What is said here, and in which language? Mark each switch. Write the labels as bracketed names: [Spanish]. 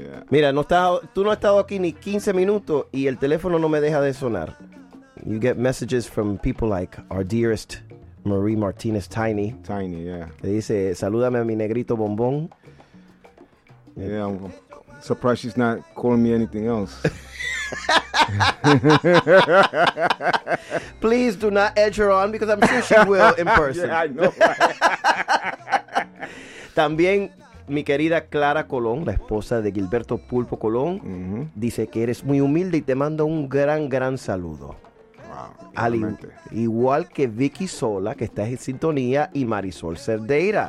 [Spanish] Mira, tú no has estado aquí ni 15 minutos y el teléfono no me deja de sonar. [English] You get messages from people like our dearest Marie Martinez Tiny. Tiny, yeah. [Spanish] Que dice, salúdame a mi negrito bombón. [English] Yeah, I'm surprised she's not calling me anything else. Please do not edge her on because I'm sure she will in person. Yeah, I know. [Spanish] También mi querida Clara Colón, la esposa de Gilberto Pulpo Colón, mm-hmm. dice que eres muy humilde y te mando un gran, gran saludo. Wow, realmente. Igual que Vicky Sola, que está en sintonía, y Marisol Cerdeira.